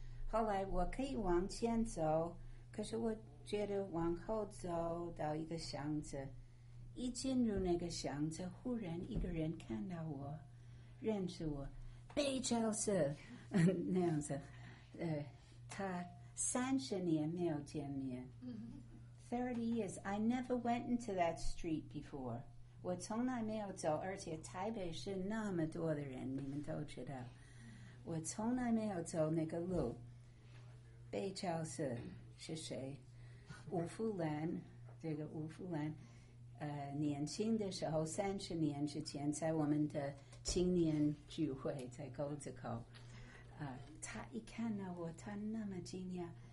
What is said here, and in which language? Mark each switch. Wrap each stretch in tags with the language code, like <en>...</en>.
<zh>后来我可以往前走，可是我觉得往后走到一个箱子，一进入那个箱子，忽然一个人看到我，认识我 ，Bay Joseph 那样子，他30年没有见面。</zh> <en>30 years, I never went into that street before.</en> <zh>我从来没有走，而且台北是那么多的人，你们都知道，我从来没有走那个路。 Bay Joseph 是谁？吴富兰，这个吴富兰，年轻的时候，30年之前，在我们的青年聚会，在沟子口，他一看到我，他那么惊讶。</zh>